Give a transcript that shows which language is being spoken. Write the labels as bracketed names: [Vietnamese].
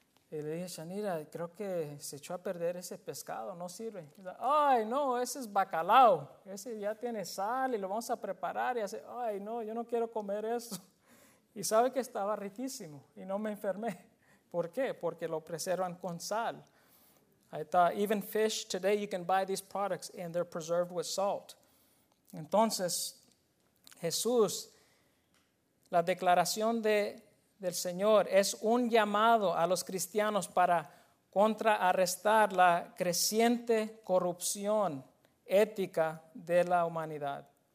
[Spanish] Y le dije, Shanira, creo que se echó a perder ese pescado, no sirve. Ay, no, ese es bacalao. Ese ya tiene sal y lo vamos a preparar. Y hace, ay, no, yo no quiero comer eso. Y sabe que estaba riquísimo y no me enfermé. ¿Por qué? Porque lo preservan con sal. [English] I thought, even fish, today you can buy these products and they're preserved with salt. [Spanish] Entonces, Jesús, la declaración del Señor es un llamado a los cristianos para contrarrestar la creciente corrupción ética de la humanidad.